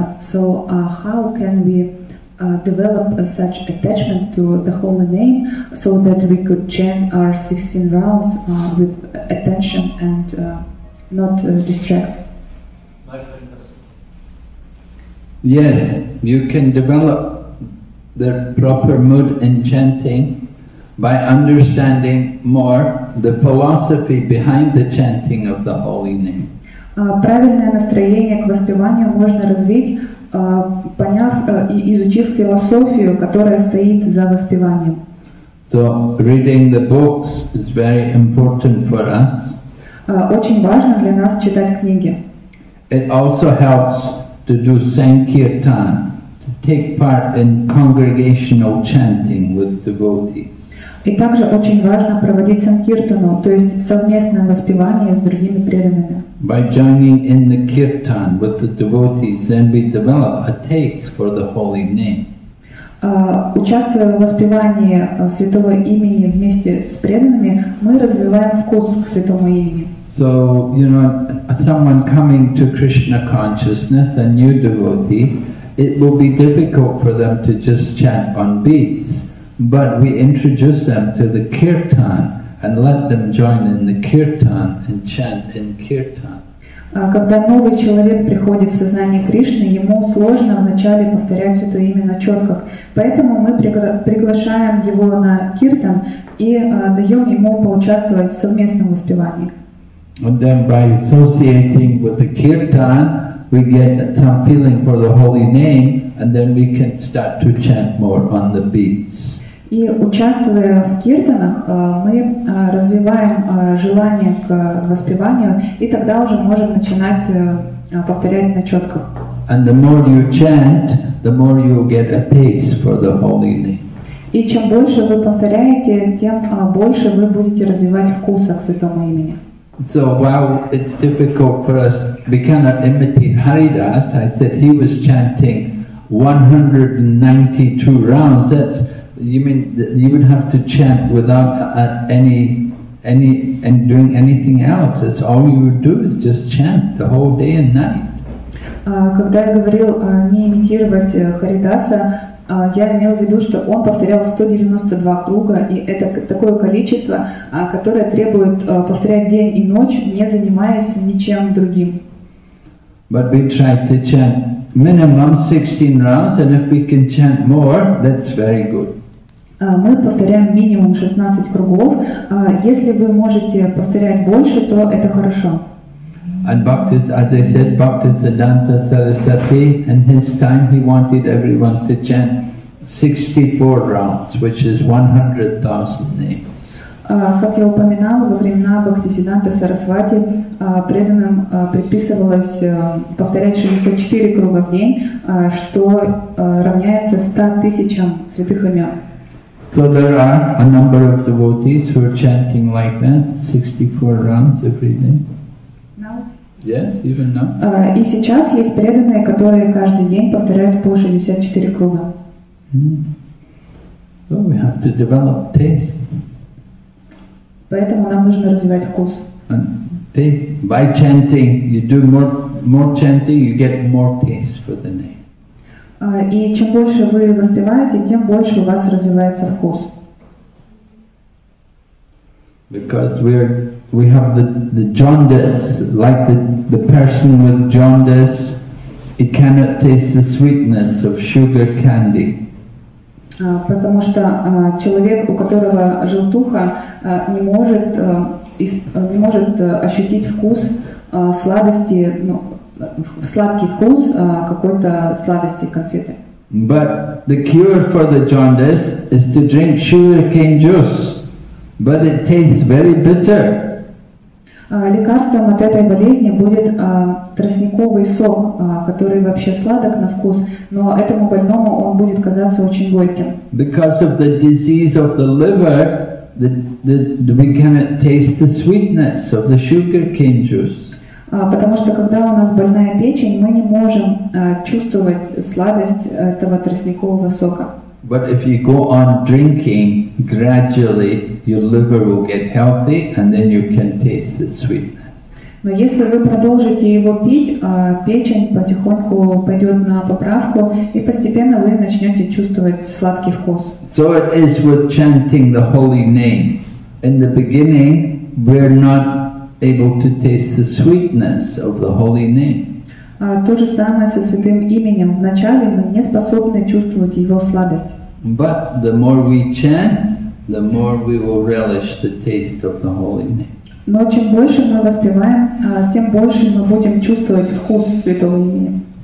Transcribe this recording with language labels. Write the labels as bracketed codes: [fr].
[en] So how can we develop such attachment to the holy name so that we could chant our 16 rounds with attention and not distract? Yes, you can develop the proper mood in chanting by understanding more the philosophy behind the chanting of the holy name. [ru] Правильное настроение к воспеванию можно развить, поняв и изучив философию, которая стоит за воспеванием. [en] So reading the books is very important for us. [ru] Очень важно для нас читать книги. [en] It also helps to do sankirtan, to take part in congregational chanting with devotees. [ru] И также очень важно проводить санкиртану, то есть совместное воспевание с другими преданными. [en] By joining in the kirtan with the devotees, then we develop a taste for the holy name. [ru] Участвуя в воспевании святого имени вместе с преданными, мы развиваем вкус к святому имени. [en] So, you know, someone coming to Krishna consciousness, a new devotee, it will be difficult for them to just chant on beats. But we introduce them to the kirtan and let them join in the kirtan and chant in kirtan. [ru] Когда новый человек приходит в сознание Кришны, ему сложно вначале повторять святое имя на четках. Поэтому мы приглашаем его на киртан и даем ему поучаствовать в совместном воспевании. [en] And then by associating with the kirtan, we get some feeling for the holy name, and then we can start to chant more on the beats. [ru] И участвуя в киртанах, мы развиваем желание к воспеванию, и тогда уже можем начинать повторять на четках. [en] And the more you chant, the more you get a taste for the holy name. [ru] И чем больше вы повторяете, тем больше вы будете развивать вкус к святому имени. [en] So while it's difficult for us, we cannot imitate Haridas. I said he was chanting 192 rounds. That's, you mean you would have to chant without any and doing anything else. That's all you would do is just chant the whole day and night. [ru] Когда я говорил не имитировать Харидаса, я имел в виду, что он повторял 192 круга, и это такое количество, которое требует повторять день и ночь, не занимаясь ничем другим. [en] But we try to chant minimum 16 rounds, and if we can chant more, that's very good. [ru] Мы повторяем минимум 16 кругов. Если вы можете повторять больше, то это хорошо. [en] And Bhakti, as I said, Bhaktisiddhanta Sarasvati, in his time, he wanted everyone to chant 64 rounds, which is 100,000 names. [ru] Как я упоминал, во времена Бхактисиддханта Сарасвати преданным предписывалось повторять 64 круга в день, что равняется 100 тысячам святых имен. [en] So there are a number of devotees who are chanting like that, 64 rounds every day. Yes, even now. [ru] И сейчас есть преданные, которые каждый день повторяют по 64 круга. [en] So we have to develop taste. [ru] Поэтому нам нужно развивать вкус. [en] And taste by chanting, you do more chanting, you get more taste for the name. [ru] И чем больше вы воспеваете, тем больше у вас развивается вкус. [en] Because we have the jaundice, like the person with jaundice, he cannot taste the sweetness of sugar candy. [ru] Потому что человек, у которого желтуха, не может ощутить вкус сладости, ну, сладкий вкус какой-то сладости, конфеты. [en] But the cure for the jaundice is to drink sugarcane juice, but it tastes very bitter. [ru] Лекарством от этой болезни будет тростниковый сок, который вообще сладок на вкус, но этому больному он будет казаться очень горьким. [en] Because of the disease of the liver, we cannot taste the sweetness of the sugarcane juice. [ru] Потому что когда у нас больная печень, мы не можем чувствовать сладость этого тростникового сока. [en] But if you go on drinking gradually, your liver will get healthy, and then you can taste the sweetness. [ru] Но если вы продолжите его пить, печень потихоньку пойдет на поправку, и постепенно вы начнете чувствовать сладкий вкус. [en] So it is with chanting the holy name. In the beginning, we're not able to taste the sweetness of the holy name. [ru] То же самое со святым именем. Вначале мы не способны чувствовать его сладость. [en] But the more we chant, the more we will relish the taste of the holy name. [ru] Но чем больше мы воспеваем, тем больше мы будем чувствовать вкус святого имени.